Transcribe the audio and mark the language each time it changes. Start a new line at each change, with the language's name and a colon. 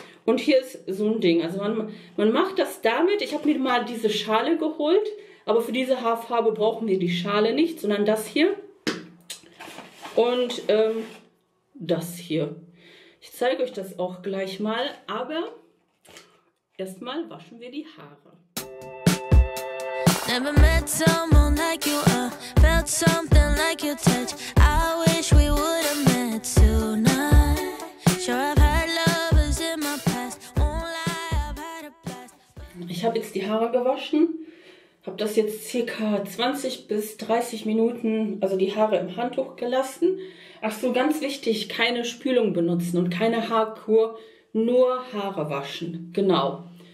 German: Und hier ist so ein Ding. Also man macht das damit. Ich habe mir mal diese Schale geholt. Aber für diese Haarfarbe brauchen wir die Schale nicht, sondern das hier. Und das hier. Ich zeige euch das auch gleich mal. Aber... erstmal waschen wir die Haare.
English: Never met someone like you, felt something like your touch. I wish we would have met tonight. Sure, I've had lovers in my past. Only I've had a blast.
German: Ich habe jetzt die Haare gewaschen. Habe das jetzt ca. 20 bis 30 Minuten, also die Haare im Handtuch gelassen. Ach so, ganz wichtig, keine Spülung benutzen und keine Haarkur, nur Haare waschen. Genau.